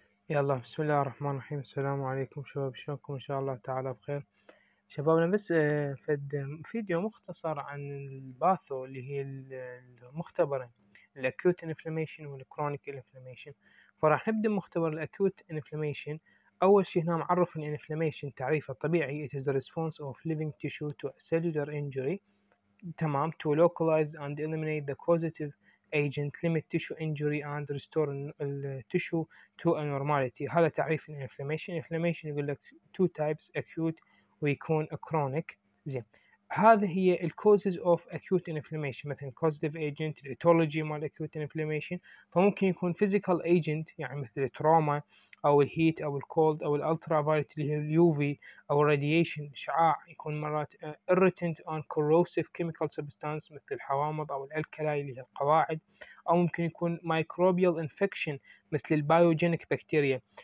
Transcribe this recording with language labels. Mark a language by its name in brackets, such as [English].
[Arabic] يلا بسم الله الرحمن الرحيم. السلام عليكم شباب، شلونكم؟ ان شاء الله تعالى بخير. شبابنا بس فد فيديو مختصر عن الباثو اللي هي المختبر الاكوت انفلاميشن والكرونيك انفلاميشن. فراح نبدا مختبر الاكوت انفلاميشن. اول شيء هنا معرف الانفلاميشن تعريفه الطبيعي [English] It is a response of living tissue to a cellular injury. [Arabic] تمام. [English] To localize and eliminate the causative agent, limit tissue injury and restore the tissue to a normality. [Arabic] هذا تعريف الانفلاميشن. الانفلاميشن يقول لك two types, acute ويكون chronic. زين، هذا هي ال causes of acute inflammation. مثلا causative agent, the etiology مال acute inflammation. فممكن يكون physical agent يعني مثل trauma او الهيت او الكولد او الالترافايلت اللي هي اليوفي او الراديشن، شعاع. يكون مرات [English] irritant and corrosive chemical substance [Arabic] مثل الحوامض او الالكلاي اللي هي القواعد، او ممكن يكون microbial infection مثل البايوجينيك بكتيريا.